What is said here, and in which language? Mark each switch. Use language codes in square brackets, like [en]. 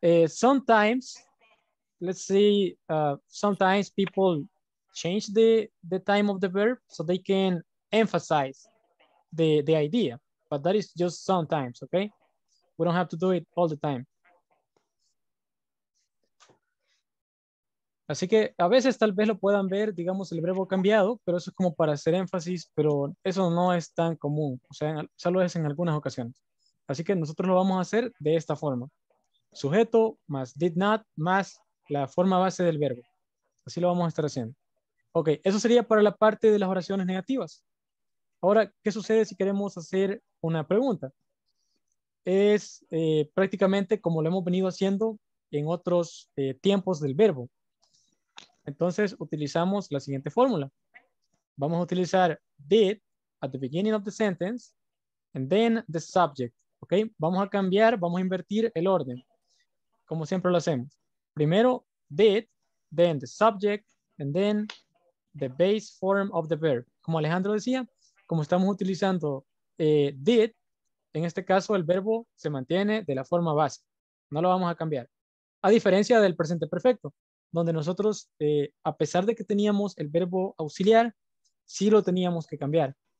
[en] Sometimes, let's see, sometimes people change the time of the verb so they can emphasize the idea, but that is just sometimes, okay? We don't have to do it all the time. [es] Así que a veces tal vez lo puedan ver, digamos, el verbo cambiado, pero eso es como para hacer énfasis, pero eso no es tan común, o sea, solo es en algunas ocasiones. Así que nosotros lo vamos a hacer de esta forma. Sujeto más did not más la forma base del verbo. Así lo vamos a estar haciendo. Ok, eso sería para la parte de las oraciones negativas. Ahora, ¿qué sucede si queremos hacer una pregunta? Es prácticamente como lo hemos venido haciendo en otros tiempos del verbo. Entonces utilizamos la siguiente fórmula. Vamos a utilizar [en] did at the beginning of the sentence and then the subject. Okay? [es] Vamos a cambiar, vamos a invertir el orden. Como siempre lo hacemos. Primero [en] did, then the subject, and then the base form of the verb. [es] Como Alejandro decía, como estamos utilizando did, en este caso el verbo se mantiene de la forma base. No lo vamos a cambiar. A diferencia del presente perfecto, donde nosotros, a pesar de que teníamos el verbo auxiliar, sí lo teníamos que cambiar.